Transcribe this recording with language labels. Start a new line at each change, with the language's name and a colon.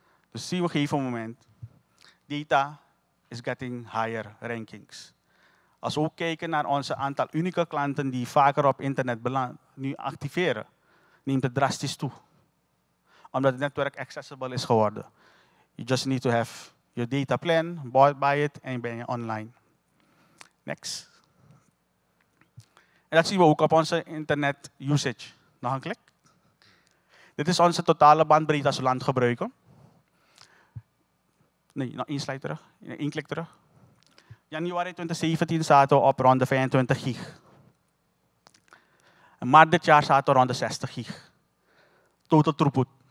Dutch: Dus zien we op een moment, data
English: is getting higher rankings.
Dutch: Als we ook kijken naar onze aantal unieke klanten die vaker op internet nu activeren, neemt het drastisch toe. Omdat het netwerk accessible is geworden.
English: You just need to have your data plan, buy it
Dutch: en ben je online.
English: Next.
Dutch: En dat zien we ook op onze internet usage. Nog een klik. Dit is onze totale bandbreedte als we land gebruiken. Nee, nog één slide terug. Eén klik terug. Januari 2017 zaten we op rond de 25 gig. En maart dit jaar zaten we rond de 60 gig. Total throughput.